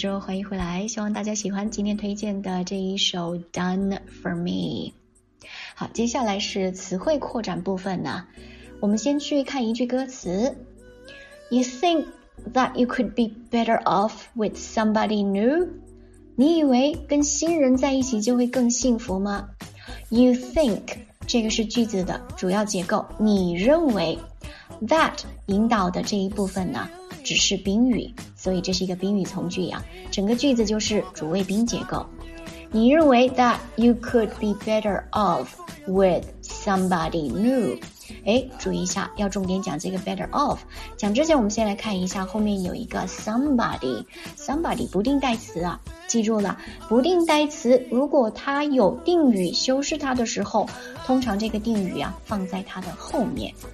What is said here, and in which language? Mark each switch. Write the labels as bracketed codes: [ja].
[zh] 欢迎回来，希望大家喜欢今天推荐的这一首 Done for me。好，接下来是词汇扩展部分呢，我们先去看一句歌词。 [en] You think that you could be better off with somebody new? [zh] 你以为跟新人在一起就会更幸福吗？ You think， 这个是句子的主要结构，你认为。 That 引导的这一部分呢只是宾语，所以这是一个宾语从句呀。整个句子就是主谓宾结构。你认为 [en] that you could be better off with somebody new。 [zh] 诶，注意一下，要重点讲这个 better off。讲之前我们先来看一下后面有一个 somebody， somebody 不定代词啊，记住了，不定代词如果它有定语修饰它的时候，通常这个定语啊放在它的后面。